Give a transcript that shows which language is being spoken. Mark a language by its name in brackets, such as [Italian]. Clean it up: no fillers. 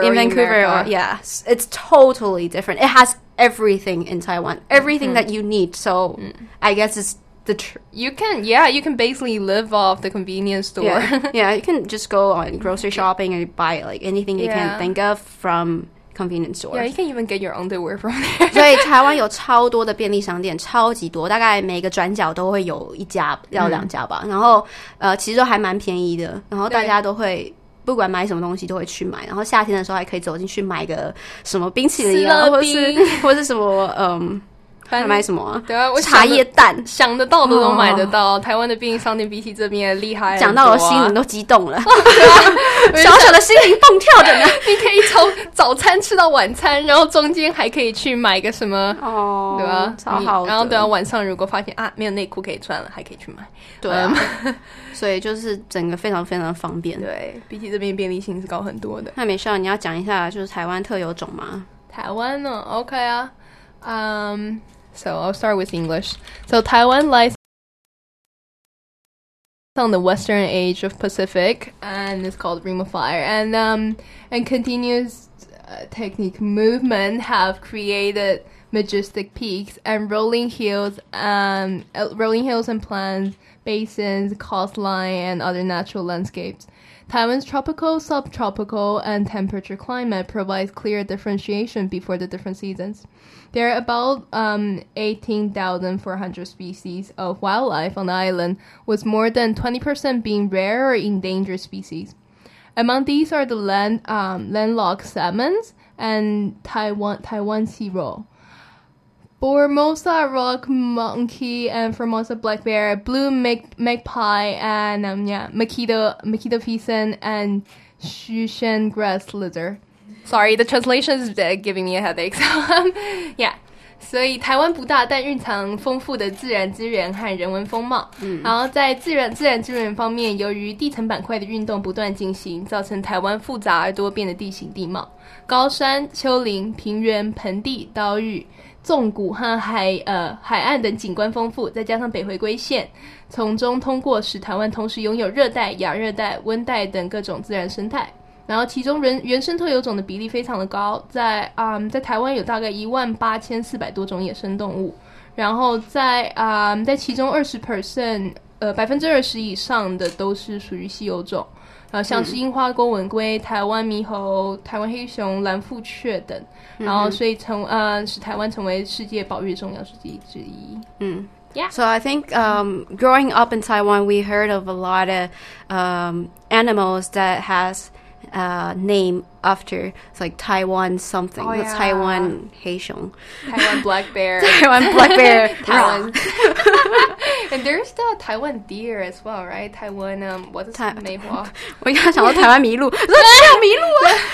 [English] In Vancouver, yes. It's totally different. It has everything in Taiwan. Everything that you need. So I guess it's the you can basically live off the convenience store. Yeah, you can just go on grocery shopping and buy like anything you can think of from... convenience store. Yeah, you can even get your underwear from there. [Chinese] 所以台湾有超多的便利商店，超级多，大概每个转角都会有一家，要两家吧。然后其实都还蛮便宜的，然后大家都会不管买什么东西都会去买。然后夏天的时候还可以走进去买个什么冰淇淋啊，或是什么还买什么啊？对啊，我茶叶蛋，想得到的都买得到。台湾的便利商店比起这边厉害，讲到我心灵都激动了，小小的心灵蹦跳着呢。你可以从早餐吃到晚餐，然后中间还可以去买个什么哦，对吧？超好的。然后等到晚上如果发现啊没有内裤可以穿了，还可以去买。对、所以就是整个非常非常方便。对，比起这边便利性是高很多的。那美少，你要讲一下就是台湾特有种吗？台湾呢 ？OK 啊， [English] So I'll start with English. So Taiwan lies on the western edge of Pacific, and it's called Ring of Fire. And continuous tectonic movement have created majestic peaks and rolling hills and plains, basins, coastline, and other natural landscapes. Taiwan's tropical, subtropical, and temperature climate provides clear differentiation before the different seasons. There are about 18,400 species of wildlife on the island, with more than 20% being rare or endangered species. Among these are the landlocked salmons and Taiwan sea roe. Formosa rock monkey and Formosa black bear, blue magpie and Makito pheasant and Shushan grass lizard. Sorry, the translation is giving me a headache. So, yeah. [Chinese] 所以台湾不大，但蕴藏丰富的自然资源和人文风貌。然后在自然资源方面，由于地层板块的运动不断进行，造成台湾复杂而多变的地形地貌。高山、丘陵、平原、盆地、岛屿、纵谷和海岸等景观丰富，再加上北回归线从中通过，使台湾同时拥有热带、亚热带、温带等各种自然生态。然后其中原生特有种的比例非常的高，在台湾有大概18400多种野生动物，然后在其中20%以上的都是属于稀有种，像是樱花公文龟、台湾猕猴、台湾黑熊、蓝腹雀等，然后所以使台湾成为世界保育重要书籍之一。 [English] Yeah. So I think growing up in Taiwan, we heard of a lot of animals that has. Name after it's like Taiwan something、 oh, yeah. Taiwan Heishong Taiwan black bear Taiwan black bear Taiwan and there's the Taiwan deer as well right Taiwan what's it called 梅花 [Chinese] 我刚想到台湾麋鹿说只有麋鹿啊